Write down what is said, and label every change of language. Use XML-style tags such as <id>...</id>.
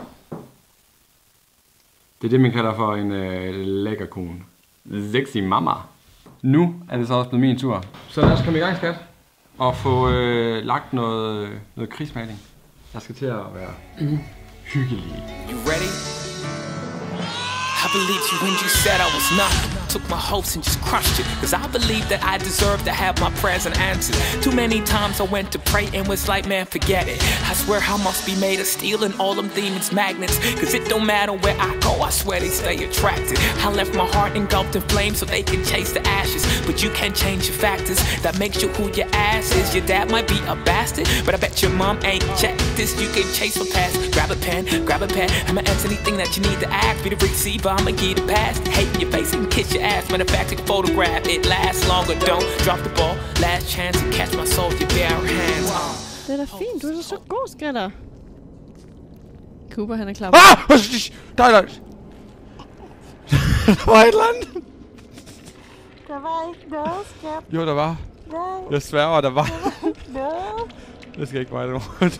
<da>Det er det, man kalder for en lækker kone.</da> <en>Sexy mama.</en> <da>Nu er det så også blevet min tur. Så lad os komme i gang, skat. Og få lagt noget krigsmaling. Jeg skal til at være hyggelig.</da> <en>You ready? I believed you when you said I was not. Took my hopes and just crushed it. Cause I believed that I deserved to have my prayers and answers. Too many times I went to pray and was like, man, forget it. I swear I must be made of steel and all them demons magnets. Cause it don't matter where I go, I swear they stay attracted. I left my heart engulfed in flames so they can chase the ashes. But you can't change your factors. That makes you who your ass is. Your dad might be a bastard, but I bet your mom ain't checked this. You can chase my past. Grab a pen. I'ma answer anything that you need to ask. Be the receiver, I'ma give you the past. Hate your face and kiss your ass. Matter of fact, take a photograph, it lasts longer. Don't drop the ball, last chance to catch my soul with your bare hands.</en> <da>Det er da fint, du er så god, skatter. Cooper, han er klar på. Ah! Der er et eller andet. Der var ikke noget, skat. Jo, der var. Nej. Jeg sværger, der var. Nej. Det skal ikke være noget.</da>